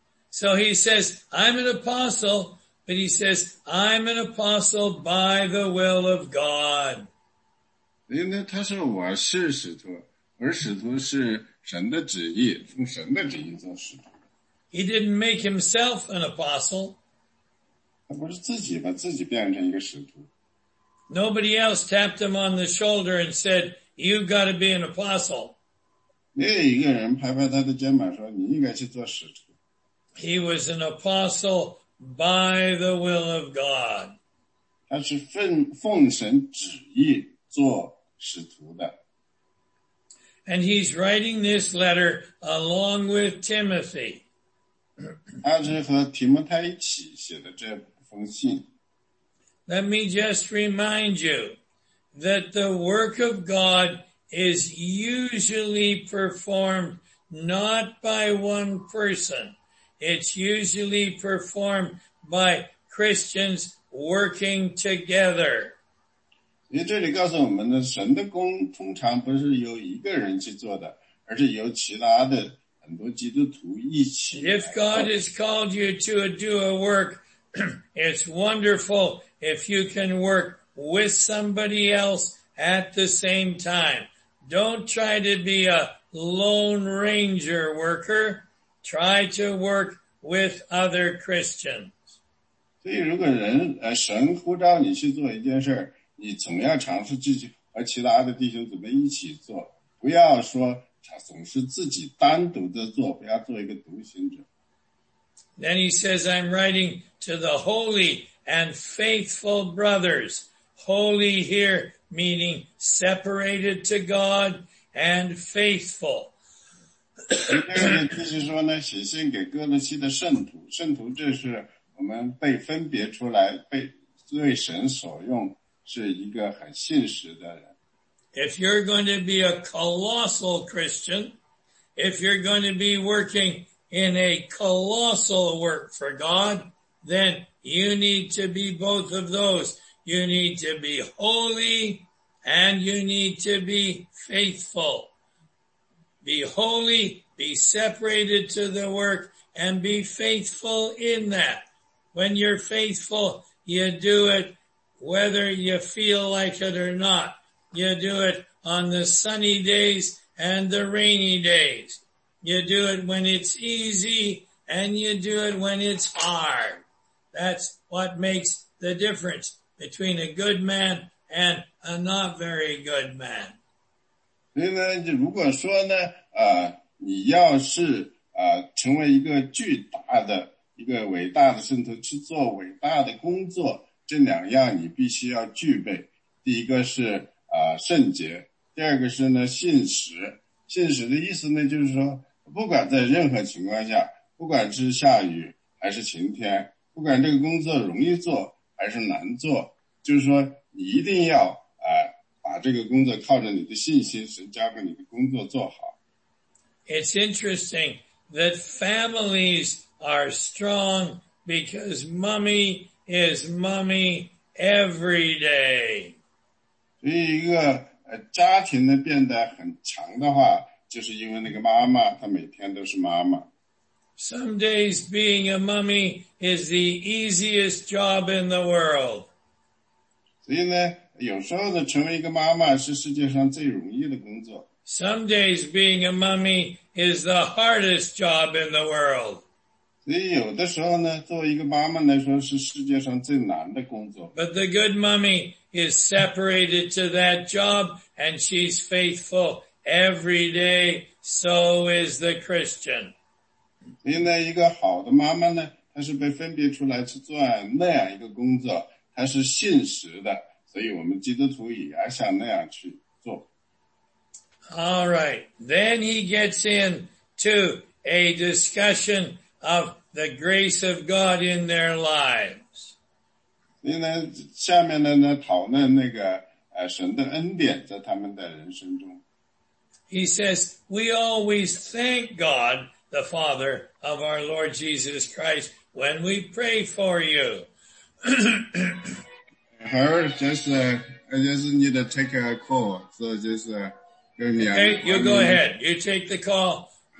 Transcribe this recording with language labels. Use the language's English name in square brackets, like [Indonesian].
[English] So he says, I'm an apostle, but he says, I'm an apostle by the will of God. [Chinese] 因为他说我是使徒，而使徒是神的旨意，奉神的旨意做使徒。 [English] He didn't make himself an apostle. [Chinese] 他不是自己把自己变成一个使徒。 [English] Nobody else tapped him on the shoulder and said, you've got to be an apostle. [Chinese] 另一个人拍拍他的肩膀说，你应该去做使徒。 [English] He was an apostle by the will of God. [Chinese] 他是奉神旨意做使徒的。 [English] And he's writing this letter along with Timothy. [Chinese] 他是和提摩太一起写的这封信。 [English] Let me just remind you that the work of God is usually performed not by one person. It's usually performed by Christians working together. [Chinese] 因为这里告诉我们呢，神的工通常不是由一个人去做的，而是由其他的很多基督徒一起。 [English] If God has called you to do a work, it's wonderful if you can work with somebody else at the same time. Don't try to be a lone ranger worker. Try to work with other Christians. [Chinese] 所以如果人神呼召你去做一件事，你总要尝试自己和其他的弟兄姊妹一起做，不要说总是自己单独的做，不要做一个独行者。 [English] Then he says, I'm writing to the holy and faithful brothers. Holy here, meaning separated to God and faithful. [Chinese] 就是说呢，写信给哥罗西的圣徒，圣徒这是我们被分别出来，被为神所用，是一个很信实的人。 [English] If you're going to be a colossal Christian, if you're going to be working in a colossal work for God, then you need to be both of those. You need to be holy and you need to be faithful. Be holy, be separated to the work and be faithful in that. When you're faithful, you do it whether you feel like it or not. You do it on the sunny days and the rainy days. You do it when it's easy and you do it when it's hard. That's what makes the difference between a good man and a not very good man. [Chinese] 所以呢，如果说呢，你要是成为一个巨大的、一个伟大的圣徒去做伟大的工作，这两样你必须要具备。第一个是圣洁，第二个是呢信实。信实的意思呢，就是说，不管在任何情况下，不管是下雨还是晴天，不管这个工作容易做还是难做，就是说你一定要把这个工作靠着你的信心，神交给你的工作做好。 [English] It's interesting that families are strong because mommy is mommy every day. [Chinese] 所以一个家庭呢变得很强的话，就是因为那个妈妈，她每天都是妈妈。 [English] Some days being a mummy is the easiest job in the world. [Chinese] 所以呢，有时候呢，成为一个妈妈是世界上最容易的工作。 [English] Some days being a mummy is the hardest job in the world. [Chinese] 所以有的时候呢，作为一个妈妈来说是世界上最难的工作。 [English] But the good mummy is separated to that job and she's faithful every day, so is the Christian. [Chinese] 所以呢，一个好的妈妈呢，她是被分别出来去做那样一个工作，她是信实的，所以我们基督徒也要像那样去做。 [English] All right, then he gets in to a discussion of the grace of God in their lives. [Chinese] 所以呢，下面的呢，讨论那个神的恩典在他们的人生中。 [English] He says, we always thank God, the Father of our Lord Jesus Christ, when we pray for you. Her, just need to take a call. So just, you go ahead. You take the call.